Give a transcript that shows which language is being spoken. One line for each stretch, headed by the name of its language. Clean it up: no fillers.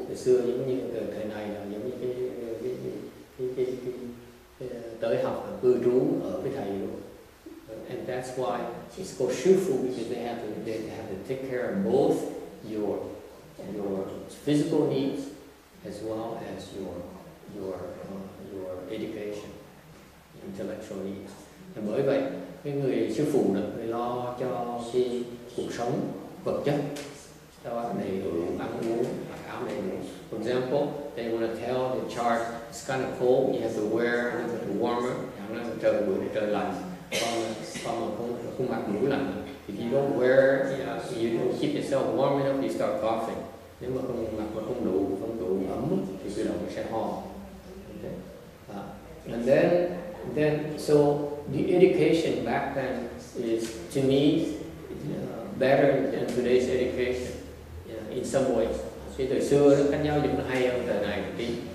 Vietnamese: Ngày xưa giống như thời này là giống như cái tới học là cư trú ở với thầy luôn.
English: And that's why it's called shufu, because they have to take care of both your physical needs as well as your education, intellectual needs.
Vietnamese: Và bởi vậy, cái người sư phụ là người lo cho cái cuộc sống vật chất, cho đầy đủ ăn uống, áo đầy đủ.
English: For example, they want to tell the child, it's kind of cold, you have to wear a little bit warmer.
Vietnamese: Chẳng hạn là trời buổi thì trời lạnh, con mà không mặc mũ lạnh.
English: If you don't wear, you don't keep yourself warm enough, you start coughing.
Vietnamese: Nếu mà không mặc mà không đủ ấm thì tự động sẽ ho.
English: And then so the education back then is to me better than today's education in some ways.
Vietnamese: Thì thời xưa nó khác nhau nhưng nó hay hơn thời này một tí.